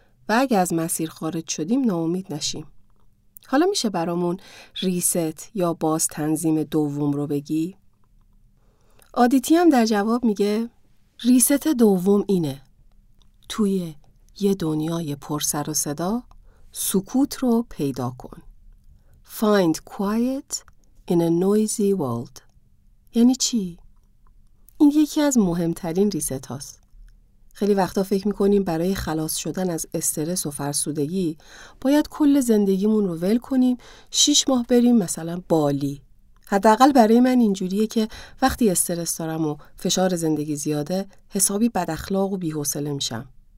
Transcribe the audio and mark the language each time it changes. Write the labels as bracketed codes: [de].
[fa] و اگه از مسیر خارج شدیم ناامید نشیم. حالا میشه برامون ریست یا باز تنظیم دوم رو بگی؟ آدیتی هم در جواب میگه ریست دوم اینه. توی یه دنیای پر سر و صدا سکوت رو پیدا کن. [en] Find quiet in a noisy world. [fa] یعنی چی؟ این یکی از مهمترین ریست هاست. خیلی وقتا فکر میکنیم برای خلاص شدن از استرس و فرسودگی باید کل زندگیمون رو ول کنیم، 6 ماه بریم مثلا بالی. حداقل برای من اینجوریه که وقتی استرس دارم و فشار زندگی زیاده، حسابی بد اخلاق و بی‌حوصله میشم.